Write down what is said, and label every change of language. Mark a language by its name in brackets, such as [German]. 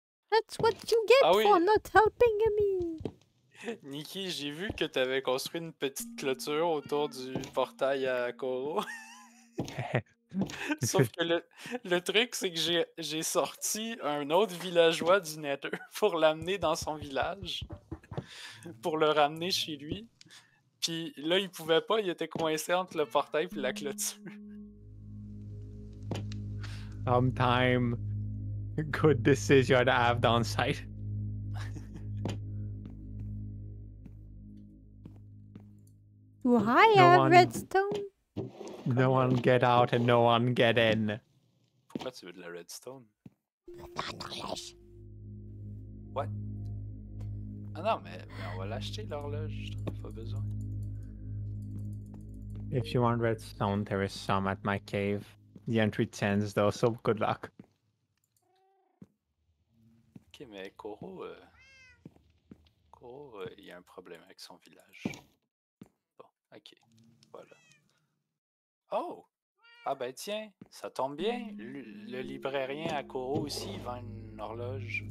[English] That's what you get for not helping me. [French] Nikki, j'ai vu que t'avais construit une petite clôture autour du portail à Koro. Sauf que le truc, c'est que j'ai sorti un autre villageois du Nether pour l'amener dans son village. Pour le ramener chez lui. Puis là, il pouvait pas, il était coincé entre le portail et la clôture. [English] Sometime, good decision to have down site. Do I have redstone? No one get out and no one get in. [French] Pourquoi tu veux de la redstone? L'horloge. [English] What? [French] Ah non, mais on va l'acheter l'horloge, j'en ai pas besoin. [English] If you want redstone, there is some at my cave. The entry tends though, so good luck. [French] Ok, mais Koro, il y a un problème avec son village. Ok, voilà. Oh! Ah ben tiens, ça tombe bien. Le librairien à Koro aussi il vend une horloge.